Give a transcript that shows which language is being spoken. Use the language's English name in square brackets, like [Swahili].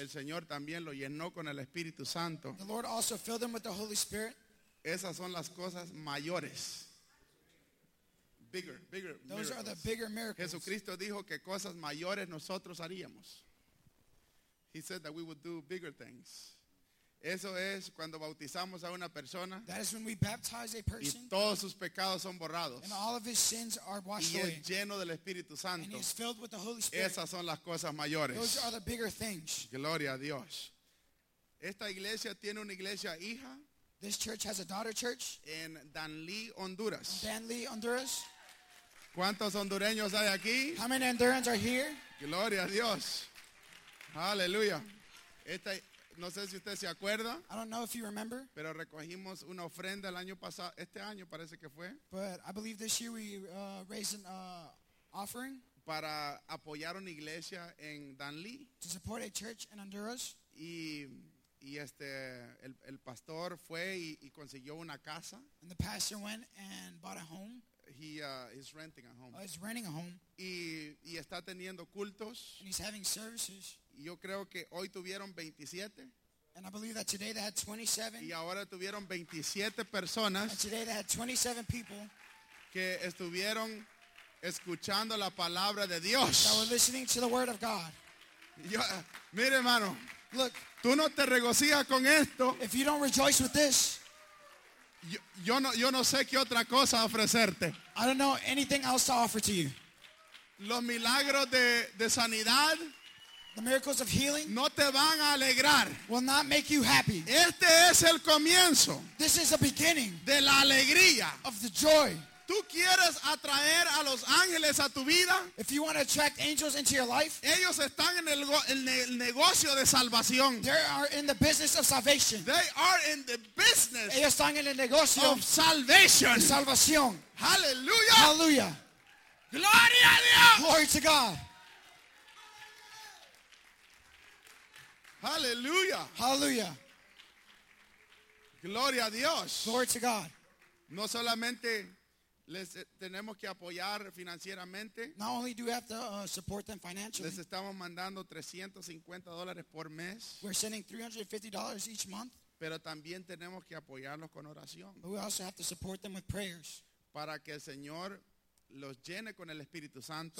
[Spanish] el Señor también lo llenó con el Espíritu Santo. [English] The Lord also filled him with the Holy Spirit. [Spanish] Esas son las cosas mayores. [English] Bigger those miracles. Are the bigger miracles. [Spanish] Jesucristo dijo que cosas mayores nosotros haríamos. [English] He said that we would do bigger things. [Spanish] Eso es cuando bautizamos a una persona. [English] That is when we baptize a person. [Spanish] Y todos sus pecados son borrados. [English] And all of his sins are washed away. [Spanish] Y es lleno del Espíritu Santo. [English] And he is filled with the Holy Spirit. [Spanish] Esas son las cosas mayores. [English] Those are the bigger things. [Spanish] Gloria a Dios. Esta iglesia tiene una iglesia hija. [English] This church has a daughter church. [Spanish] En Danlí, Honduras. [English] Danlí, Honduras. [Spanish] ¿Cuántos hondureños hay aquí? [English] How many Hondurans are here? [Spanish] Gloria a Dios. Aleluya. No sé si usted se acuerda. [English] I don't know if you remember. [Spanish] Pero recogimos una ofrenda el año pasado. Este año parece que fue. [English] But I believe this year we raised an offering. [Spanish] Para apoyar una iglesia en Danlí. [English] To support a church in Honduras. [Spanish] Y el pastor fue y consiguió una casa. [English] And the pastor went and bought a home. He is renting a home. He's renting a home. [Spanish] Y está teniendo cultos. [English] And he's having services. [Spanish] Yo creo que hoy tuvieron 27. [English] And I believe that today they had 27. [Spanish] Y ahora tuvieron 27 personas. [English] And today they had 27 people. [Spanish] Que estuvieron escuchando la palabra de Dios. [English] That were listening to the word of God. [Spanish] Mire, hermano. [English] Look. [Spanish] Tú no te regocijas con esto. [English] If you don't rejoice with this. [Spanish] Yo no sé qué otra cosa ofrecerte. [English] I don't know anything else to offer to you. [Spanish] Los milagros de sanidad. [English] The miracles of healing. [Spanish] No te van a alegrar. [English] Will not make you happy. [Spanish] Este es el comienzo. [English] This is the beginning. [Spanish] De la alegría. [English] Of the joy. [Spanish] Tú quieres atraer a los ángeles a tu vida. [English] If you want to attract angels into your life. [Spanish] Ellos están en el negocio de salvación. [English] They are in the business of salvation. They are in the business. [Spanish] Ellos están en el negocio [English] of salvation. [Spanish] De salvación. [English] Hallelujah. Hallelujah. [Spanish] Gloria a Dios. [English] Glory to God. Hallelujah. Hallelujah. [Spanish] Gloria a Dios. [English] Glory to God. [Spanish] No solamente les tenemos que apoyar financieramente. [English] Not only do we have to support them financially. [Spanish] Les estamos mandando $350 por mes. [English] We're sending $350 each month. [Spanish] Pero también tenemos que apoyarlos con oración. [English] But we also have to support them with prayers. [Spanish] Para que el Señor los llene con el Espíritu Santo.